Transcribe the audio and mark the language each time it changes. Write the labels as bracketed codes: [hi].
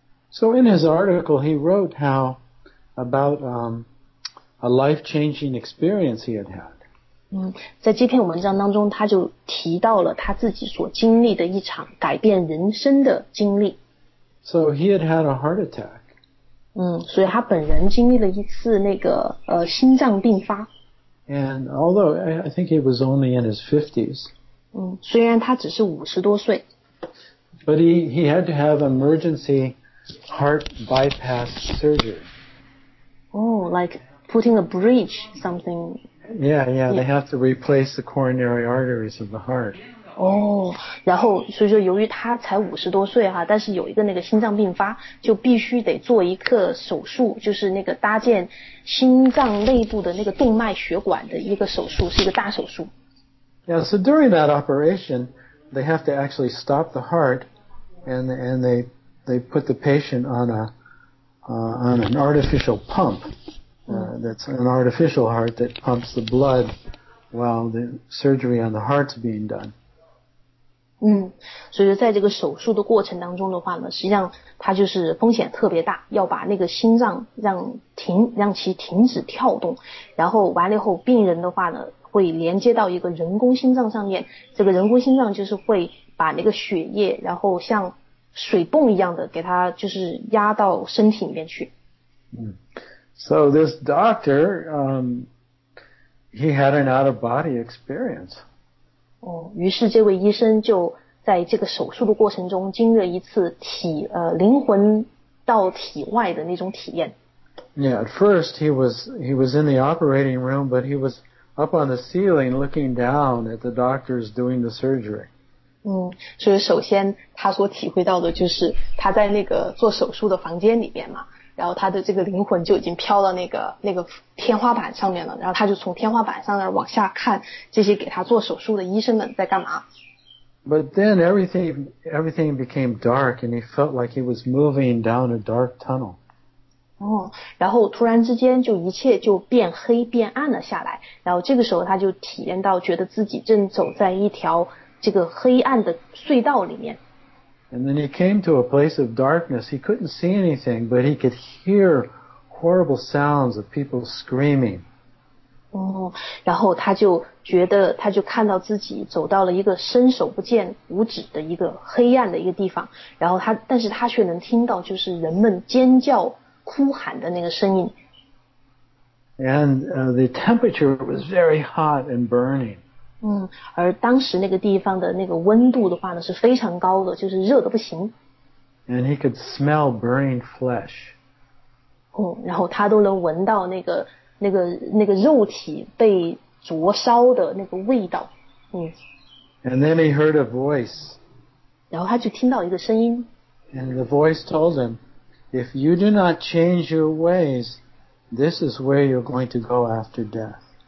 [en] So in his article, he wrote how about a life-changing experience he had had. [zh] 在这篇文章当中，他就提到了他自己所经历的一场改变人生的经历。 [en] So he had had a heart attack. [zh] 所以他本人经历了一次那个心脏病发。 [en] And although I think he was only in his 50s. [zh] 虽然他只是50多岁。 [en] But he had to have emergency heart bypass surgery. Oh, like putting a bridge, something. Yeah, they have to replace the coronary arteries of the heart. [zh] Oh, 然后所以说由于他才50多岁哈，但是有一个那个心脏病发，就必须得做一个手术，就是那个搭建心脏内部的那个动脉血管的一个手术，是一个大手术。 [en] Yeah, so during that operation, they have to actually stop the heart, and they put the patient on an artificial pump. That's an artificial heart that pumps the blood while the surgery on the heart's being done. [zh] 所以在这个手术的过程当中的话呢，实际上它就是风险特别大，要把那个心脏让其停止跳动，然后完了以后病人的话呢会连接到一个人工心脏上面，这个人工心脏就是会把那个血液然后像水泵一样的给它就是压到身体里面去。 [en] So this doctor, he had an out of body experience. [zh] 哦，于是这位医生就在这个手术的过程中经历一次灵魂到体外的那种体验。 [en] Yeah, at first he was in the operating room, but he was up on the ceiling looking down at the doctors doing the surgery. [zh] 所以首先他所体会到的就是他在那个做手术的房间里面嘛。然后他的这个灵魂就已经飘到那个天花板上面了，然后他就从天花板上那儿往下看这些给他做手术的医生们在干嘛。 [en] But then everything became dark and he felt like he was moving down a dark tunnel. [zh] 然后突然之间就一切就变黑变暗了下来，然后这个时候他就体验到觉得自己正走在一条这个黑暗的隧道里面。 [en] And then he came to a place of darkness. He couldn't see anything, but he could hear horrible sounds of people screaming. [zh] 然后他就觉得他就看到自己走到了一个伸手不见五指的一个黑暗的一个地方，然后但是他却能听到就是人们尖叫哭喊的那个声音。 [en] And the temperature was very hot and burning. [zh] 而当时那个地方的那个温度的话呢是非常高的，就是热得不行。 [en] And he could smell burning flesh. [zh] 然后他都能闻到那个肉体被灼烧的那个味道。 [en] And then he heard a voice. [zh] 然后他就听到一个声音。 [en] And the voice told him, if you do not change your ways, this is where you're going to go after death.